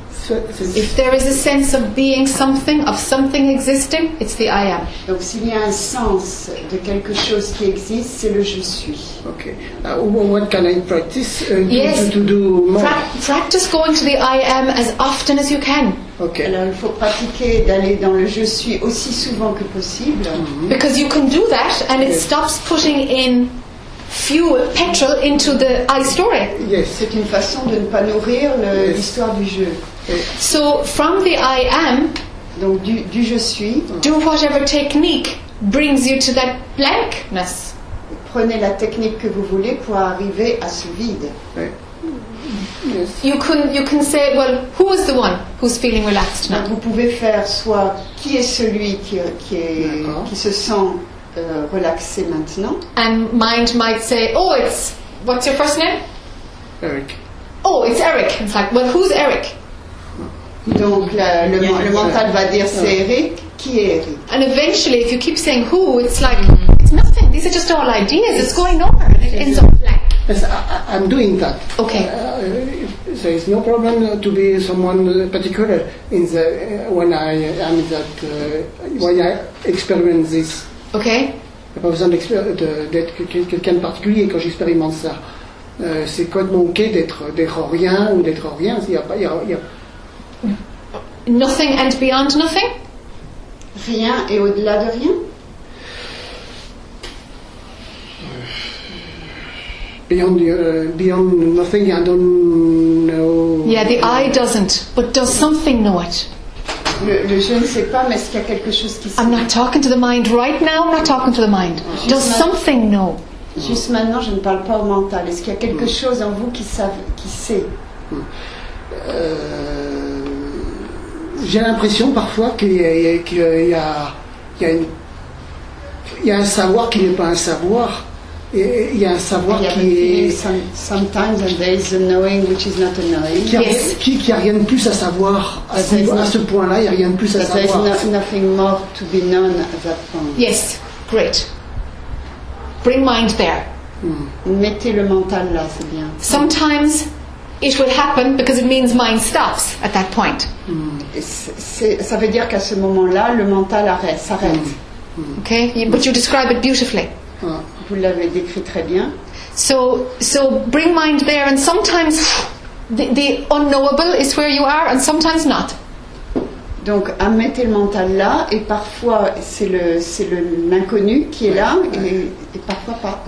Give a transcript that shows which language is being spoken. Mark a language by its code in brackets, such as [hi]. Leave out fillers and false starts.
[en] If there is a sense of being something, of something existing, it's the I am. [fr] Donc s'il y a un sens de quelque chose qui existe, c'est le je suis. [en] Okay. What can I practice to do more? Practice going to the I am as often as you can. Okay. [fr] Alors il faut pratiquer d'aller dans le je suis aussi souvent que possible. Mm-hmm. [en] Because you can do that and it stops putting in fuel, petrol into the I story. Yes. [fr] C'est une façon de ne pas nourrir l'histoire du jeu. [en] So from the I am, [fr] donc du je suis, [en] do whatever technique brings you to that blankness. [fr] Prenez la technique que vous voulez pour arriver à ce vide. [en] Yes. You can say, well, who is the one who's feeling relaxed now? [fr] Donc vous pouvez faire soit qui est celui qui se sent relaxé maintenant. [en] And mind might say, oh, it's, what's your first name? Eric. Oh, it's Eric. It's like, well, who's Eric? [fr] Donc le mental va dire c'est Eric, qui est Eric? [en] And eventually, if you keep saying who, it's like, it's nothing. These are just all ideas. It's going nowhere. It ends up blank. Yes, I'm doing that. Okay. There is no problem to be someone particular in the when I am that when I experience this. Okay. [fr] Il n'y a pas besoin d'être quelqu'un de particulier quand j'expérimente ça. C'est quoi de manquer d'être rien ou d'être rien? [en] Nothing and beyond nothing? [fr] Rien et au-delà de rien? [en] Beyond nothing, I don't know. Yeah, the I doesn't, but does something know it? [fr] Le je ne sais pas, mais est-ce qu'il y a quelque chose qui [en] I'm not talking to the mind right now, I'm not talking to the mind. Does something know? [fr] Juste maintenant, je ne parle pas au mental. Est-ce qu'il y a quelque chose en vous qui sait? J'ai l'impression parfois qu'il y a un savoir qui n'est pas un savoir. Il y a un savoir qui est. [en] Sometimes and there is a knowing which is not a knowing. [fr] Qui a rien de plus à savoir à ce point-là. Il y a rien de plus à savoir. [en] There is nothing more to be known at that point. Yes, great. Bring mind there. [fr] Mettez le mental là, c'est bien. [en] Sometimes it will happen because it means mind stops at that point. [fr] Ça veut dire qu'à ce moment-là, le mental s'arrête. [en] Okay, but you describe it beautifully. [fr] Vous l'avez décrit très bien. [en] So bring mind there, and sometimes the unknowable is where you are, and sometimes not. [fr] Donc, mettez le mental là, et parfois c'est l'inconnu qui est là, et parfois pas.